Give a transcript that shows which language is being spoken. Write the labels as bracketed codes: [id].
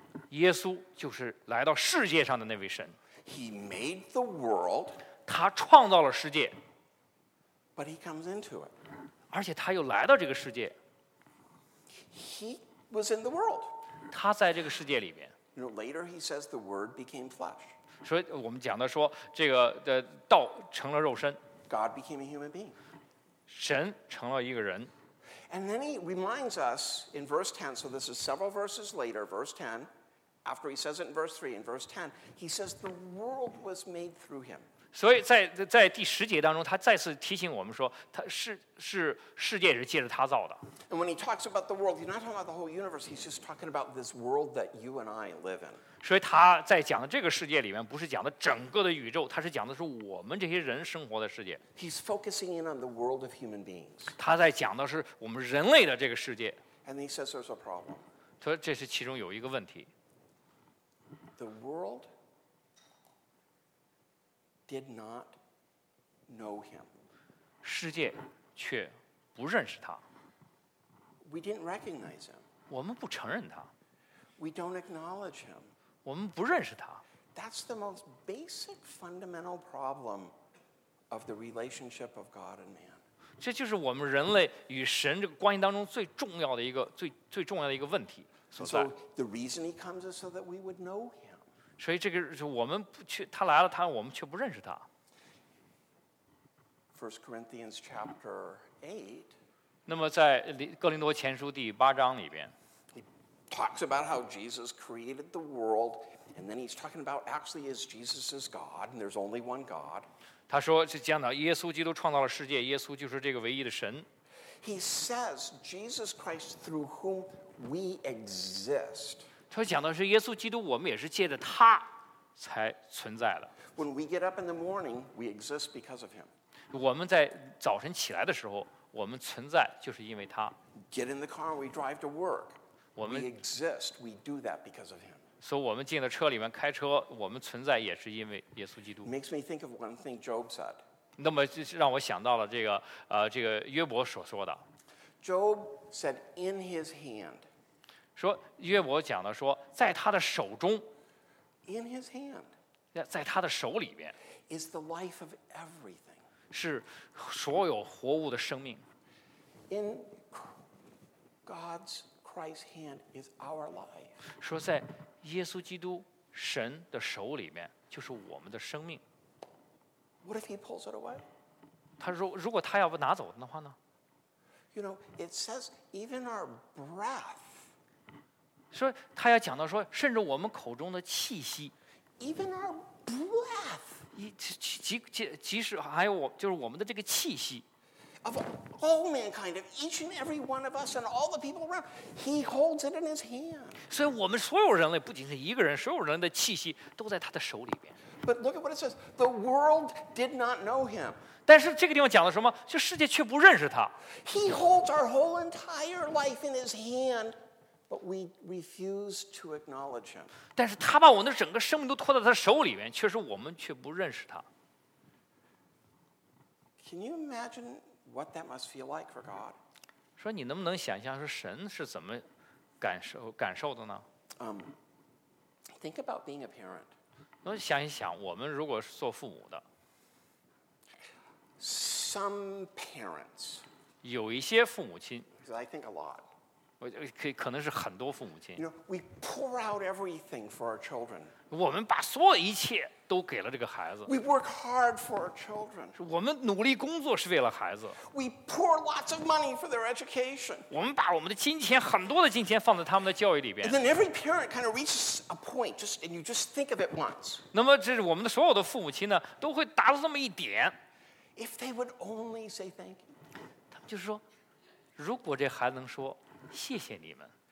[zh] 耶稣就是来到世界上的那位神。 [en] He made the world, [zh] 他创造了世界 [en] but he comes into it. [zh] 而且他又来到这个世界 [en] He was in the world. [zh] 他在这个世界里面 [en] You know, later he says the word became flesh. [zh] 所以我们讲的说这个的道成了肉身 [en] God became a human being. [zh] 神成了一个人 [en] And then he reminds us in verse 10, so this is several verses later, verse 10,After he says it in verse 3, in verse 10, he says the world was made through him. [zh] 所以在第十节当中，他再次提醒我们说，他是世界是借着他造的。 [en] And when he talks about the world, he's not talking about the whole universe. He's just talking about this world that you and I live in. [zh] 所以他在讲的这个世界里面，不是讲的整个的宇宙，他是讲的是我们这些人生活的世界。 [en] He's focusing in on the world of human beings. [zh] 他在讲的是我们人类的这个世界。 [en] And he says there's a problem. [zh] 所以这是其中有一个问题。 [en] The world did not know him. [zh] 世界却不认识他。 [en] We didn't recognize him. [zh] 我们不承认他。 [en] We don't acknowledge him. [zh] 我们不认识他。 [en] That's the most basic fundamental problem of the relationship of God and man. [zh] 这就是我们人类与神这个关系当中最重要的一个最重要的一个问题所在。 [en] So the reason he comes is so that we would know him. [zh] 所以这个我们不去他来了，他我们却不认识他。 [en] First Corinthians chapter 8. [zh] 那么在哥林多前书第八章里边。 [en] Talks about how Jesus created the world, and then he's talking about actually is Jesus is God, and there's only one God. [zh] 他说是讲到耶稣基督创造了世界，耶稣就是这个唯一的神。 [en] He says Jesus Christ through whom we exist. [zh] 他讲的是耶稣基督，我们也是借着他才存在的。 [en] When we get up in the morning, we exist because of him. [zh] 我们在早晨起来的时候，我们存在就是因为他。 [en] Get in the car, we drive to work. We exist. We do that because of him. So, [zh] 我们进了车里面开车，我们存在也是因为耶稣基督。 [en] Makes me think of one thing Job said. [zh] 那么就让我想到了这个这个约伯所说的。 [en] Job said, "In his hand." [zh] 说约伯讲的说，在他的手中。 [en] In his hand. [zh] 在他的手里面。 [en] Is the life of everything. [zh] 是所有活物的生命。 [en] In God's. Christ's hand is our life. [zh] 说在耶稣基督神的手里面就是我们的生命。 [en] What if he pulls it away? [zh] 他说如果他要不拿走的话呢？ [en] You know, it says even our breath. [zh] 说他要讲到说甚至我们口中的气息。 [en] Even our breath. [zh] 即使还有我就是我们的这个气息。 [en] Of all mankind, of each and every one of us, and all the people around, he holds it in his hand. [zh] 所以我们所有人类不仅是一个人，所有人的气息都在他的手里边。 [en] But look at what it says: the world did not know him. [zh] 但是这个地方讲的什么？就世界却不认识他。 [en] He holds our whole entire life in his hand, but we refuse to acknowledge him. [zh] 但是他把我们的整个生命都托在他手里边，却是我们却不认识他。 [en] Can you imagine? What that must feel like for God? [zh] 说你能不能想象说神是怎么感受的呢？ [en] Think about being a parent. [zh] 那想一想，我们如果是做父母的。 [en] Some parents. [zh] 有一些父母亲。 [en] Because I think a lot. [zh] 可能是很多父母亲。 [en] You know, we pour out everything for our children. [zh] 我们把所有一切。都给了这个孩子。 [en] We work hard for our children. [zh] 我们努力工作是为了孩子。 [en] We pour lots of money for their education. [zh] 我们把我们的金钱，很多的金钱放在他们的教育里边。 [en] And then every parent kind of reaches a point, just and you just think of it once. [zh] 那么这是我们的所有的父母亲呢，都会达到这么一点。 [en] If they would only say thank you. [zh] 他们就是说，如果这孩子能说谢谢你们。